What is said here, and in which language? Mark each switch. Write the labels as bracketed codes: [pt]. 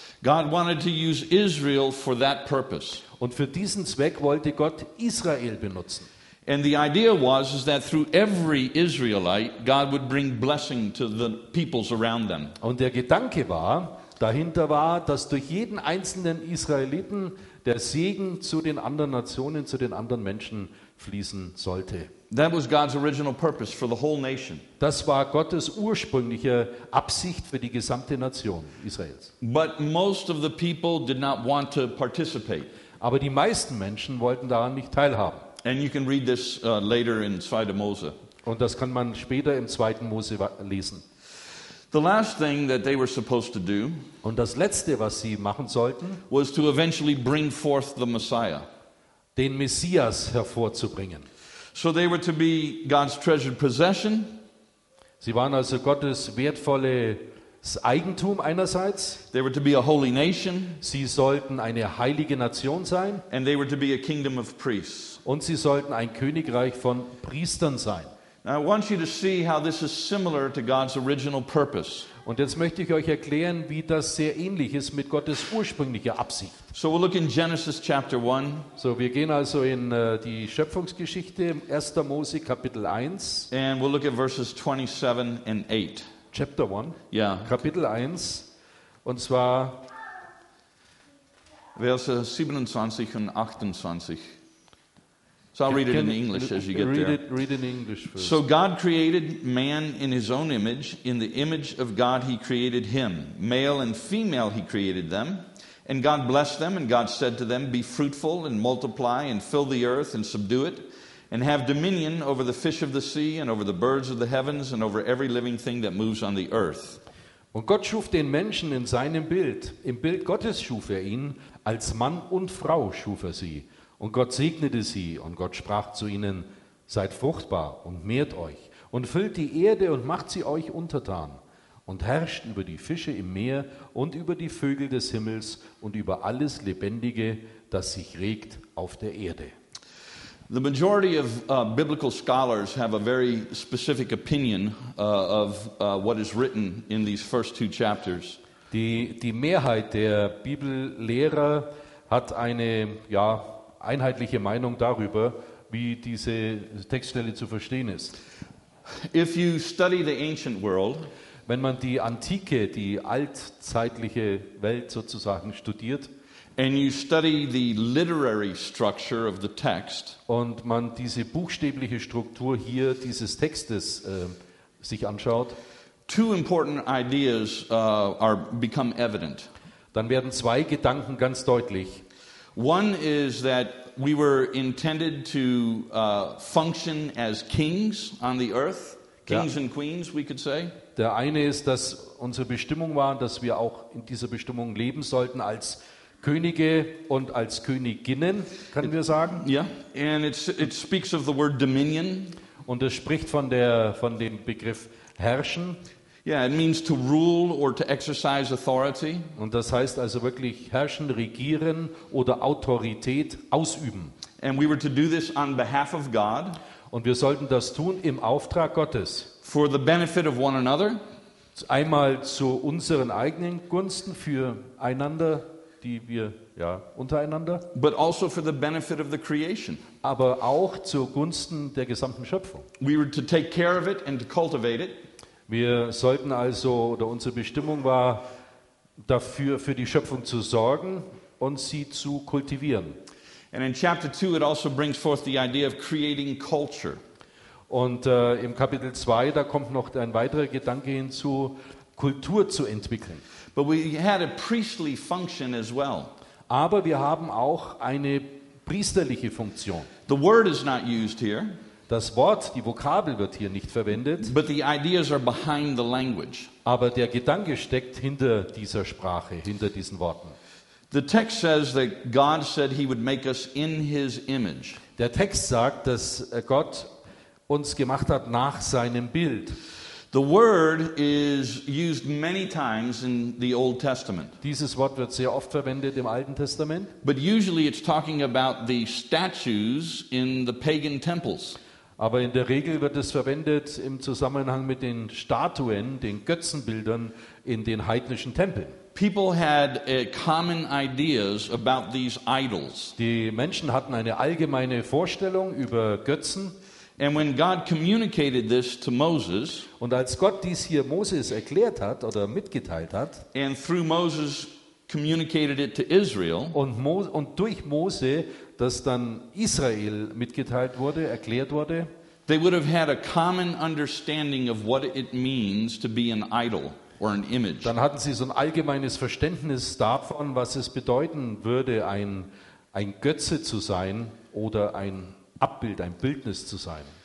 [en] God wanted to use Israel for that purpose. [de] Und für diesen Zweck wollte Gott Israel benutzen. [en] And the idea was is that through every Israelite God would bring blessing to the peoples around them. [de] Und der Gedanke war, dahinter war, dass durch jeden einzelnen Israeliten der Segen zu den anderen Nationen, zu den anderen Menschen fließen sollte. [en] That was God's original purpose for the whole nation. [de] Das war Gottes ursprüngliche Absicht für die gesamte Nation Israels. [en] But most of the people did not want to participate. [de] Aber die meisten Menschen wollten daran nicht teilhaben. [en] And you can read this later in 2. Mose. [de] Und das kann man später im 2. Mose lesen. [en] The last thing that they were supposed to do, [de] und das letzte, was sie machen sollten, [en] was to eventually bring forth the Messiah. [de] Den Messias hervorzubringen. [en] So they were to be God's treasured possession. [de] Sie waren also Gottes wertvolles Eigentum einerseits. [en] They were to be a holy nation. [de] Sie sollten eine heilige Nation sein. [en] And they were to be a kingdom of priests. [de] Und sie sollten ein Königreich von Priestern sein. [en] I want you to see how this is similar to God's original purpose. [de] Und jetzt möchte ich euch erklären, wie das sehr ähnlich ist mit Gottes ursprünglicher Absicht. [en] So we'll look in Genesis chapter 1. [de] So wir gehen also in die Schöpfungsgeschichte, 1. Mose Kapitel 1. [en] And we'll look at verses 27 and 8. Chapter 1. Yeah. [de] Kapitel 1 und zwar Verse 27 und 28. [en] So I'll read it in English as you get read there. Read it in English first. So God created man in his own image. In the image of God he created him. Male and female he created them. And God blessed them, and God said to them, be fruitful and multiply and fill the earth and subdue it, and have dominion over the fish of the sea and over the birds of the heavens and over every living thing that moves on the earth. [de] Und Gott schuf den Menschen in seinem Bild. Im Bild Gottes schuf ihn. Als Mann und Frau schuf sie. Und Gott segnete sie, und Gott sprach zu ihnen, seid fruchtbar und mehrt euch, und füllt die Erde und macht sie euch untertan, und herrscht über die Fische im Meer und über die Vögel des Himmels und über alles Lebendige, das sich regt auf der Erde. [en] The majority of biblical scholars have a very specific opinion of what is written in these first two chapters. [de] Die Mehrheit der Bibellehrer hat eine, ja, einheitliche Meinung darüber, wie diese Textstelle zu verstehen ist. [en] If you study the ancient world, [de] wenn man die antike, die altzeitliche Welt sozusagen studiert, [en] and you study the literary structure of the text, [de] und man diese buchstäbliche Struktur hier dieses Textes sich anschaut, [en] two important ideas become evident. [de] Dann werden zwei Gedanken ganz deutlich. [en] One is that we were intended to function as kings on the earth, kings and queens, we could say. [de] Der eine ist, dass unsere Bestimmung war, dass wir auch in dieser Bestimmung leben sollten als Könige und als Königinnen, können wir sagen. [en] Yeah, and it speaks of the word dominion. [de] Und es spricht von dem Begriff herrschen. [en] Yeah, it means to rule or to exercise authority. [de] Und das heißt also wirklich herrschen, regieren oder Autorität ausüben. [en] And we were to do this on behalf of God. [de] Und wir sollten das tun im Auftrag Gottes. [en] For the benefit of one another. [de] Einmal zu unseren eigenen Gunsten für einander, die wir ja untereinander. [en] But also for the benefit of the creation. [de] Aber auch zu Gunsten der gesamten Schöpfung. [en] We were to take care of it and to cultivate it. [de] Wir sollten also, oder unsere Bestimmung war, dafür, für die Schöpfung zu sorgen und sie zu kultivieren. [en] And in chapter 2 it also brings forth the idea of creating culture. [de] Und im Kapitel 2, da kommt noch ein weiterer Gedanke hinzu, Kultur zu entwickeln. [en] But we had a priestly function as well. [de] Aber wir haben auch eine priesterliche Funktion. [en] The word is not used here. [de] Das Wort, die Vokabel wird hier nicht verwendet. [en] But the ideas are behind the language. [de] Aber der Gedanke steckt hinter dieser Sprache, hinter diesen Worten. [en] The text says that God said he would make us in his image. [de] Der Text sagt, dass Gott uns gemacht hat nach seinem Bild. [en] The word is used many times in the Old Testament. [de] Dieses Wort wird sehr oft verwendet im Alten Testament. [en] But usually it's talking about the statues in the pagan temples. [de] Aber in der Regel wird es verwendet im Zusammenhang mit den Statuen, den Götzenbildern in den heidnischen Tempeln. [en] People had common ideas about these idols. [de] Die Menschen hatten eine allgemeine Vorstellung über Götzen. [en] And when God communicated this to Moses, [de] und als Gott dies hier Moses erklärt hat oder mitgeteilt hat, [en] and through Moses communicated it to Israel, [de] und durch Mose das dann Israel mitgeteilt wurde, erklärt wurde, [en] they would have had a common understanding of what it means to be an idol or an image. [de] Dann hatten sie so ein allgemeines Verständnis davon, was es bedeuten würde, ein ein Götze zu sein oder ein Abbild, ein Bildnis zu sein.